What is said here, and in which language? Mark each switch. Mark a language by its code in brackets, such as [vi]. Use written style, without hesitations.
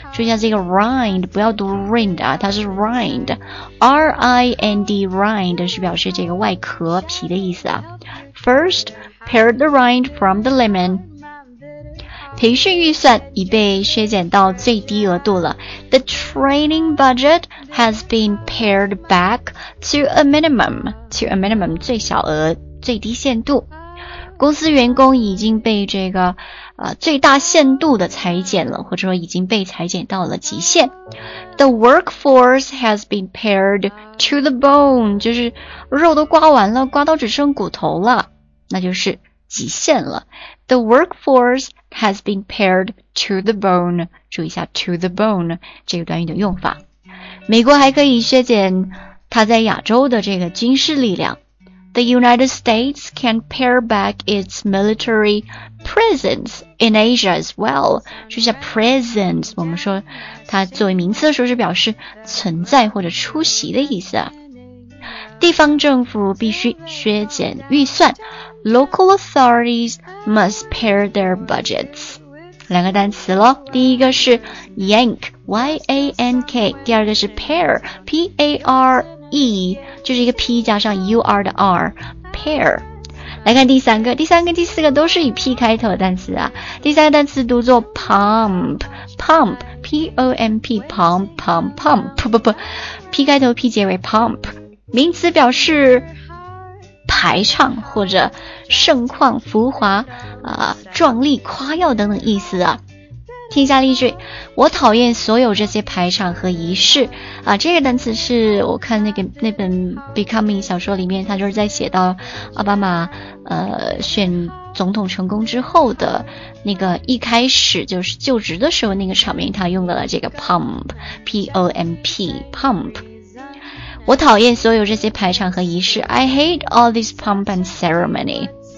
[zh] 注意一下这个 rind， 不要读 rind 啊，它是 rind， R-I-N-D， rind 是表示这个外壳皮的意思啊。 [en] First, pare the rind from the lemon. [zh] 培训预算已被削减到最低额度了。 [en] The training budget has been pared back to a minimum, [zh] 最小额最低限度。公司员工已经被这个最大限度的裁减了，或者说已经被裁减到了极限。 [en] The workforce has been pared to the bone, [zh] 就是肉都刮完了，刮到只剩骨头了，那就是极限了。 [en] The workforce has been pared to the bone, [zh] 注意一下 [en] to the bone [zh] 这个短语的用法。美国还可以削减它在亚洲的这个军事力量。 [en] The United States can pare back its military presence in Asia as well. [zh] 注意下 presence, 我们说它作为名词的时候是表示存在或者出席的意思。地方政府必须削减预算。 [en] Local authorities must pare their budgets. [zh] 两个单词咯。第一个是 yank, Y-A-N-K, 第二个是 pare, P-A-R-E, 就是一个 P 加上 U-R 的 R, pare. 来看第三个，第三个第四个都是以 P 开头的单词啊。第三个单词读作 pump, pump, P-O-M-P, pump, pump, pump, 不 P 开头 P 结尾 pump, 名词表示排场或者盛况浮华壮丽夸耀等等意思啊。听一下例句，我讨厌所有这些排场和仪式啊。这个单词是我看那本 Becoming 小说里面，他就是在写到奥巴马选总统成功之后的那个一开始就是就职的时候那个场面，他用到了这个 pump, P-O-M-P, pump。我讨厌所有这些排场和仪式。 [en] I hate all this pomp and ceremony.